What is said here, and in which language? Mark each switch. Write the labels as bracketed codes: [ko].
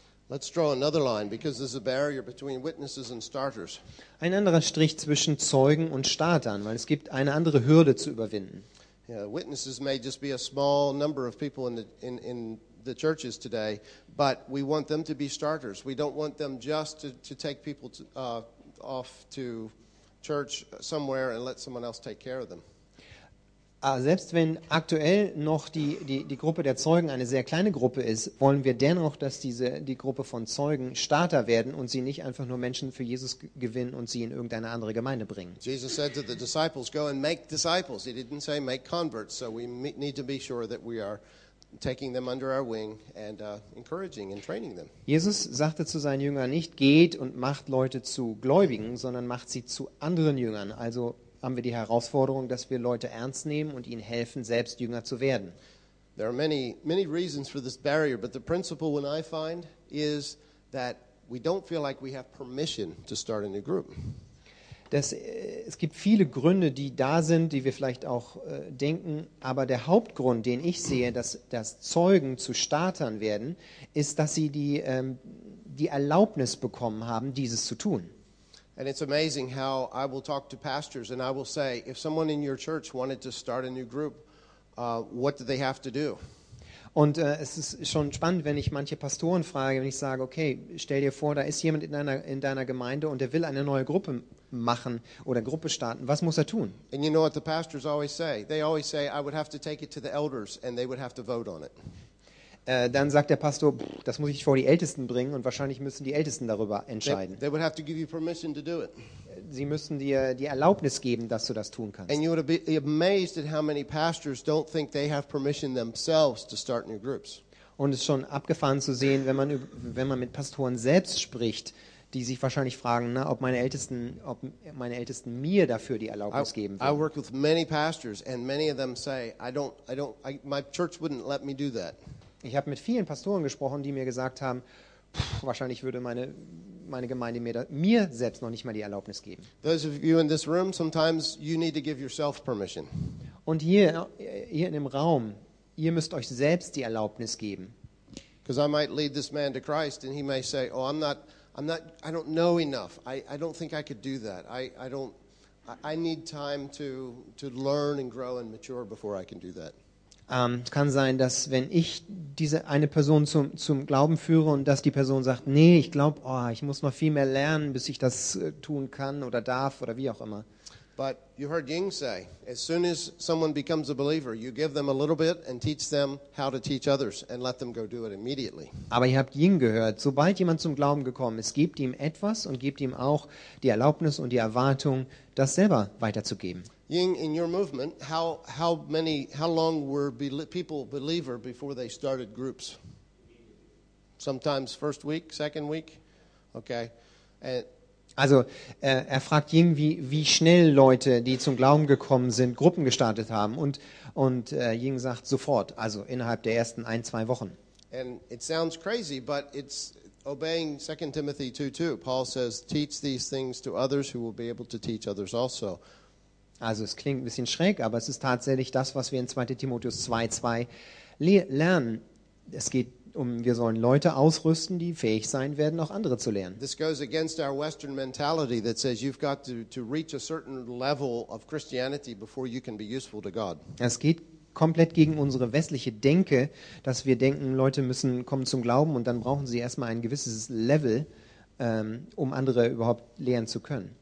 [en] Let's draw another line because there's a barrier between witnesses and starters. [de] Ein anderer Strich zwischen Zeugen und Startern, weil es gibt eine andere Hürde zu überwinden. [en] Yeah, witnesses may just be a small number of people in the churches today, but we want them to be starters. We don't want them just to take people to, off to church somewhere and let someone else take care of them. [de] Selbst wenn aktuell noch die Gruppe der Zeugen eine sehr kleine Gruppe ist, wollen wir dennoch, dass die Gruppe von Zeugen Starter werden und sie nicht einfach nur Menschen für Jesus gewinnen und sie in irgendeine andere Gemeinde bringen. [en] Jesus said to the disciples, go and make disciples. He didn't say make converts, so we need to be sure that we are taking them under our wing and encouraging and training them. [de] Jesus sagte zu seinen Jüngern nicht, geht und macht Leute zu Gläubigen, sondern macht sie zu anderen Jüngern, also haben wir die Herausforderung, dass wir Leute ernst nehmen und ihnen helfen, selbst Jünger zu werden. [en] There are many, many reasons for this barrier, but the principle one I find is that we don't feel like we have permission to start a new group. [de] Es gibt viele Gründe, die da sind, die wir vielleicht auch denken, aber der Hauptgrund, den ich sehe, dass Zeugen zu Startern werden, ist, dass sie die Erlaubnis bekommen haben, dieses zu tun. [en] And it's amazing how I will talk to pastors and I will say, if someone in your church wanted to start a new group, what do they have to do? [de] Und es ist schon spannend, wenn ich manche Pastoren frage, wenn ich sage, okay, stell dir vor, da ist jemand in deiner Gemeinde und der will eine neue Gruppe machen oder Gruppe starten. Was muss er tun? [en] And you know what the pastors always say? They always say, I would have to take it to the elders and they would have to vote on it. [de] Dann sagt der Pastor, das muss ich vor die Ältesten bringen und wahrscheinlich müssen die Ältesten darüber entscheiden. [en] They would have to give you permission to do it. [de] Sie müssen dir die Erlaubnis geben, dass du das tun kannst. [en] And you would be amazed at how many pastors don't think they have permission themselves to start new groups. [de] Und es ist schon abgefahren zu sehen, wenn man mit Pastoren selbst spricht, die sich wahrscheinlich fragen, na, ob meine Ältesten mir dafür die Erlaubnis geben würden. [en] I work with many pastors and many of them say, I don't, my church wouldn't let me do that. [de] Ich habe mit vielen Pastoren gesprochen, die mir gesagt haben, wahrscheinlich würde meine Gemeinde mir selbst noch nicht mal die Erlaubnis geben. [en] Those of you in this room, sometimes you need to give yourself permission. [de] Und hier in dem Raum, ihr müsst euch selbst die Erlaubnis geben. [en] Because I might lead this man to Christ and he may say, oh, I'm not, I don't know enough. I don't think I could do that. I need time to learn and grow and mature before I can do that. [de] Es kann sein, dass wenn ich diese eine Person zum Glauben führe und dass die Person sagt, nee, ich glaube, oh, ich muss noch viel mehr lernen, bis ich das tun kann oder darf oder wie auch immer. [en] But you heard Ying say, as soon as someone becomes a believer, you give them a little bit and teach them how to teach others and let them go do it immediately. [de] Aber ihr habt Ying gehört, sobald jemand zum Glauben gekommen ist, gebt ihm etwas und gebt ihm auch die Erlaubnis und die Erwartung, das selber weiterzugeben. [en] Ying, in your movement, how long were people believer before they started groups? Sometimes first week, second week. Okay. [de] Also, er fragt Ying, wie schnell Leute, die zum Glauben gekommen sind, Gruppen gestartet haben. Und Ying sagt sofort, also innerhalb der ersten ein, zwei Wochen. [en] And it sounds crazy, but it's obeying 2 Timothy 2:2. Paul says, teach these things to others who will be able to teach others also. [de] Also es klingt ein bisschen schräg, aber es ist tatsächlich das, was wir in 2 Timotheus 2:2 lernen. Es geht um, wir sollen Leute ausrüsten, die fähig sein werden, auch andere zu lernen. [en] This goes against our Western mentality that says you've got to reach a certain level of Christianity before you can be useful to God. [de] Es geht komplett gegen unsere westliche Denke, dass wir denken, Leute müssen kommen zum Glauben und dann brauchen sie erstmal ein gewisses Level, um andere überhaupt lehren zu können.